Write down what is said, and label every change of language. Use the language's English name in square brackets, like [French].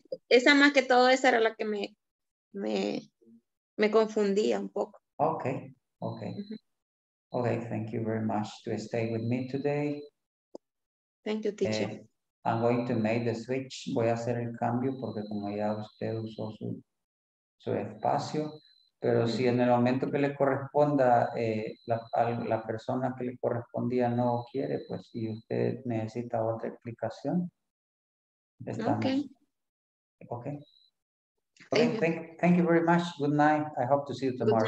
[Spanish] Esa más que todo, esa era la que me confundía un poco. [English] Okay. Uh-huh. Okay, thank you very much to stay with me today. Thank you, teacher. I'm going to make the switch. [Spanish] Voy a hacer el cambio porque como ya usted usó su espacio. Pero si en el momento que le corresponda, la persona que le correspondía no quiere, pues si usted necesita otra explicación, estamos. [English] Okay. Thank you very much. Good night. I hope to see you tomorrow.